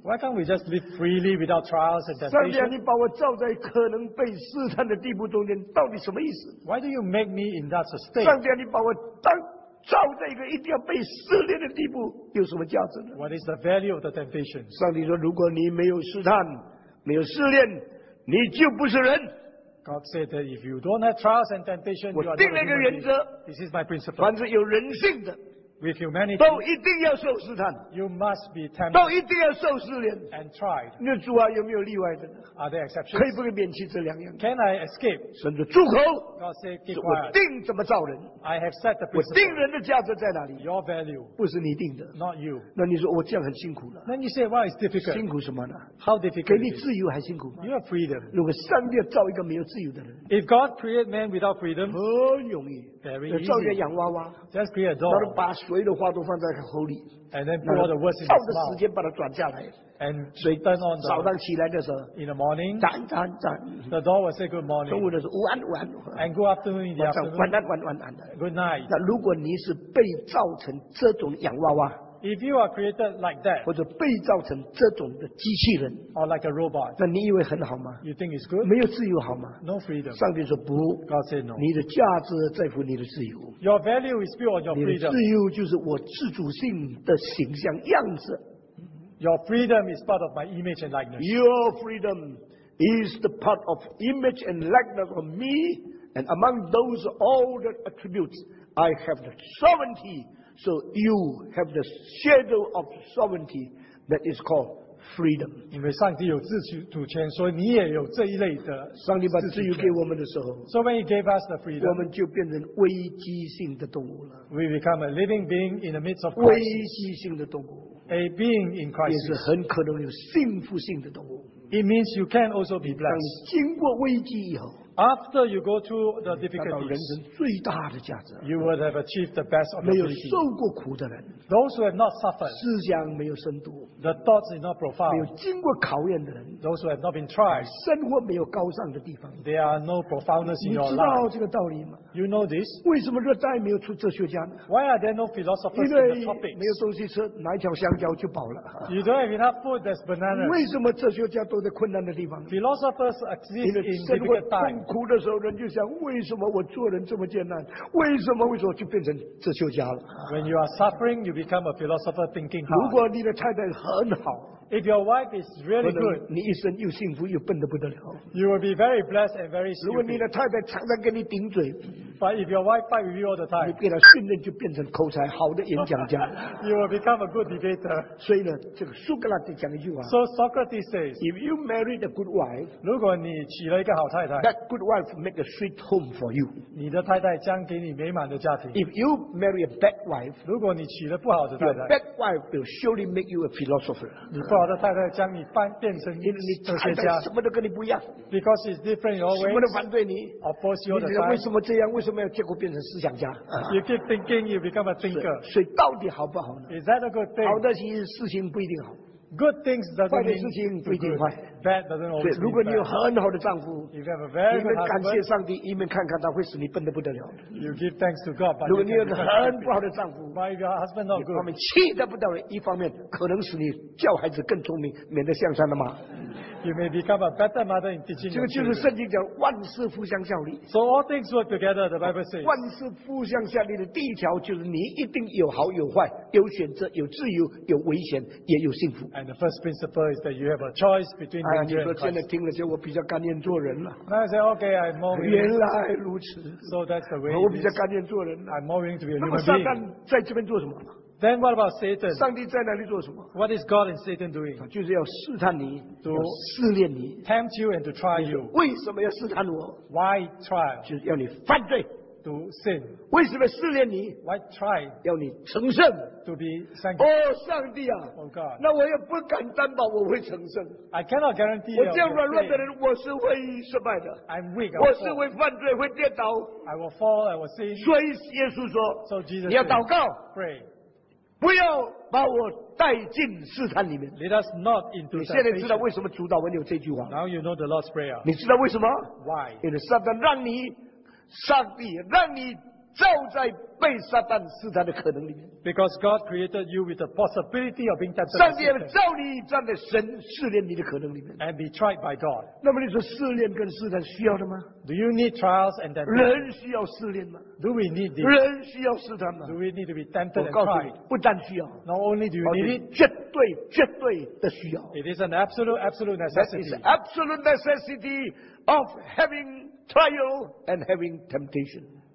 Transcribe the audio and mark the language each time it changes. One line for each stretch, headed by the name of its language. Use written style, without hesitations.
English: Why can't we just live freely without trials and temptation?
Chinese: 上帝，你把我造在可能被试探的地步中间，到底什么意思？
English: Why do you make me in that state?
Chinese: 上帝，你把我当 造在一个一定要被试炼的地步，有什么价值呢？
English: What is the value of the temptation?
Chinese: 上帝说，如果你没有试探，没有试炼，你就不是人。
English: God said that if you don't have trials and temptation, you are not human.
Chinese: 我定了一个原则。
English: This is my principle.
Chinese: 凡是有人性的。
English: With humanity,
Chinese: 都一定要受试探,
English: you must be tempted,
Chinese: 都一定要受试炼,
English: and tried.
Chinese: 那主啊，有没有例外的？
English: Are there exceptions?
Chinese: 可以不可以免去这两样？
English: Can I escape?
Chinese: 甚至住口！
English: God say, keep quiet.
Chinese: 我定怎么造人？
English: I have set the principle.
Chinese: 我定人的价值在哪里？
English: Your value,
Chinese: 不是你定的，
English: not you.
Chinese: 那你说我这样很辛苦了？
English: Then you say, why is difficult?
Chinese: 辛苦什么呢？
English: How difficult?
Chinese: 给你自由还辛苦吗？
English: You have freedom.
Chinese: 如果上帝造一个没有自由的人，
English: if God create man without freedom,
Chinese: 很容易。
English: Very easy.
Chinese: 造一个洋娃娃，
English: just create a doll.
Chinese: 谁的话都放在口里。
English: And then put all the words in his mouth.
Chinese: 照着时间把它转下来。
English: And she turned on the.
Chinese: 早上起来的时候。
English: In the morning.
Chinese: 早早早。
English: The door will say good morning.
Chinese: 中午的时候午安午安。
English: And good afternoon in the afternoon.
Chinese: 晚安晚安晚安。
English: Good night.
Chinese: 那如果你是被造成这种洋娃娃。
English: If you are created like that,
Chinese: 或者被造成这种的机器人
English: or like a robot,
Chinese: 那你以为很好吗？
English: You think it's good?
Chinese: 没有自由好吗？
English: No freedom.
Chinese: 上帝说不。
English: God said no.
Chinese: 你的价值在乎你的自由。
English: Your value is built on your freedom.
Chinese: 你的自由就是我自主性的形象样子。
English: Your freedom is part of my image and likeness. Your freedom is the part of image and likeness of me, and among those all the attributes, I have the sovereignty. So you have the shadow of sovereignty that is called freedom.
Chinese: 因为上帝有自主权，所以你也有这一类的。上帝把自由给我们的时候
English: ，So when he gave us the freedom,
Chinese: 我们就变成危机性的动物了。
English: We become a living being in the midst of crisis.
Chinese: 危机性的动物
English: ，a being in crisis
Chinese: 也是很可能有幸福性的动物。
English: It means you can also be blessed.
Chinese: 当你经过危机以后。
English: After you go through the difficulties, you will have achieved the best of your life. Those who have not suffered, the thoughts are not profound,
Chinese: 没有经过考验的人,
English: those who have not been tried,
Chinese: 生活没有高尚的地方,
English: there are no profoundness in your life.
Chinese: 你知道这个道理吗?
English: You know this?
Chinese: 为什么热带没有出哲学家呢?
English: Why are there no philosophers in the tropics?
Chinese: 因为没有东西吃, 拿一条香蕉就饱了。
English: You don't have enough food, there's bananas.
Chinese: 为什么哲学家都在困难的地方?
English: Philosophers exist in difficult times.
Chinese: 哭的时候，人就想：为什么我做人这么艰难？为什么？为什么就变成哲学家了
English: ？When you are suffering, you become a philosopher thinking hard.
Chinese: 如果你的太太很好
English: ，If your wife is really good，
Chinese: 你一生又幸福又笨得不得了。
English: You will be very blessed and very stupid.
Chinese: 如果你的太太常常跟你顶嘴
English: ，But if your wife fight with you all the time，
Chinese: 你给她训练就变成口才好的演讲家。
English: You will become a good debater.
Chinese: 所以呢，这个苏格拉底讲一句话
English: ，So Socrates says， If you married a good wife，
Chinese: 如果你娶了一个好太太
English: ，That good wife make a sweet home for you.
Chinese: 你的太太将给你美满的家庭。
English: If you marry a bad wife,
Chinese: 如果你娶了不好的太太
English: ，Your bad wife will surely make you a philosopher.
Chinese: 你不好的太太将你变成一个哲学家。什么都跟你不一样。
English: Because it's different always.
Chinese: 什么都反对你。
English: Oppose you all the time.
Chinese: 你为什么这样？为什么要结果变成思想家
English: ？You keep thinking, you become a thinker.
Chinese: 所以到底好不好呢
English: ？Is that a good thing?
Chinese: 好的其实事情不一定好。
English: Good things doesn't mean
Chinese: 坏的事情不一定坏。
English: Bad doesn't always mean bad.
Chinese: 如果你有很好的丈夫，一边感谢上帝，一边看看他会使你笨得不得了。
English: You give thanks to God, but
Chinese: 如果你有个很不好的丈夫，一方面气得不得了，一方面可能使你教孩子更聪明，免得像山的马。
English: You may become a better mother in teaching.
Chinese: 这个就是圣经讲万事互相效力。
English: So all things work together, the Bible says.
Chinese: 万事互相效力的第一条就是你一定有好有坏，有选择，有自由，有危险，也有幸福。
English: And the first principle is that you have a choice between danger and pleasure.
Chinese: 哎，你说现在听了之后，我比较甘愿做人了。
English: 那 I say, okay, I'm more willing.
Chinese: 原来如此。
English: So that's the way.
Chinese: 我比较甘愿做人。
English: I'm more willing to be a human being.
Chinese: 那么撒旦在这边做什么？
English: Then what about Satan?
Chinese: 上帝在哪里做什么？
English: What is God and Satan doing?
Chinese: 就是要试探你，要试炼你。
English: Tempt you and to try you.
Chinese: 为什么要试探我？
English: Why try?
Chinese: 就是要你犯罪。
English: To sin.
Chinese: 为什么试炼你？
English: Why try?
Chinese: 要你成圣。
English: To be sanctified.
Chinese: 哦，上帝啊！
English: Oh God.
Chinese: 那我也不敢担保我会成圣。
English: I cannot guarantee.
Chinese: 我这样软弱的人，我是会失败的。
English: I'm weak.
Chinese: 我是会犯罪，会跌倒。
English: I will fall. I will sin.
Chinese: 所以耶稣说，
English: So Jesus.
Chinese: 你要祷告。
English: Pray.
Chinese: 不要把我带进试探里面。
English: Let us not into
Chinese: 你现在知道为什么主导文有这句话。
English: Now you know the Lord's Prayer.
Chinese: 你知道为什么
English: ？Why？
Chinese: 因为撒旦让你，上帝让你照在被撒旦试探的可能里面。
English: Because God created you with the possibility of being tempted.
Chinese: 上帝要照你站在神试炼你的可能里面。
English: And be tried by God.
Chinese: 那么你说试炼跟试探需要的吗
English: ？Do you need trials and then？
Chinese: 人需要试炼吗
English: ？Do we need this？
Chinese: 人需要试探吗
English: ？Do we need to be tempted and tried？
Chinese: 不但需要。
English: Not only do you need it，
Chinese: 绝对绝对的需要。
English: It is an absolute absolute necessity. That is absolute necessity of having trial and having temptation.